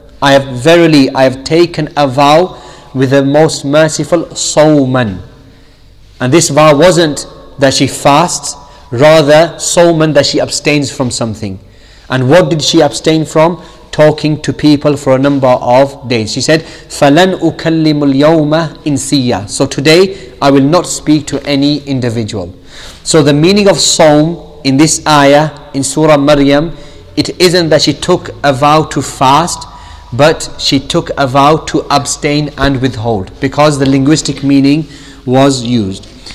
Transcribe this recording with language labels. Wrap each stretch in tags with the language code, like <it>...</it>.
<en>I have taken a vow with the most merciful, sawman. And this vow wasn't that she fasts, rather sawman, that she abstains from something. And what did she abstain from? Talking to people for a number of days. She said,</en> <ar>فَلَنْ أُكَلِّمُ الْيَوْمَ إِنْسِيَّ.</ar> <en>So today, I will not speak to any individual. So the meaning of sawm in this ayah, in Surah Maryam, it isn't that she took a vow to fast, but she took a vow to abstain and withhold, because the linguistic meaning was used.</en>